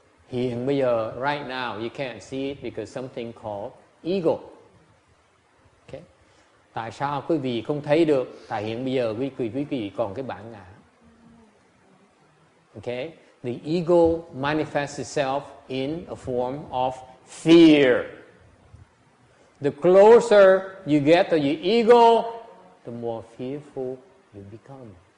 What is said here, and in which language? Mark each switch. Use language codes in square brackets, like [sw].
[vi] Hiện bây giờ, [en] right now, you can't see it because something called ego. Okay. [vi] Tại sao quý vị không thấy được? Tại hiện bây giờ quý vị còn cái bản ngã. [en] Okay. The ego manifests itself in a form of fear. The closer you get to your ego, the more fearful you become.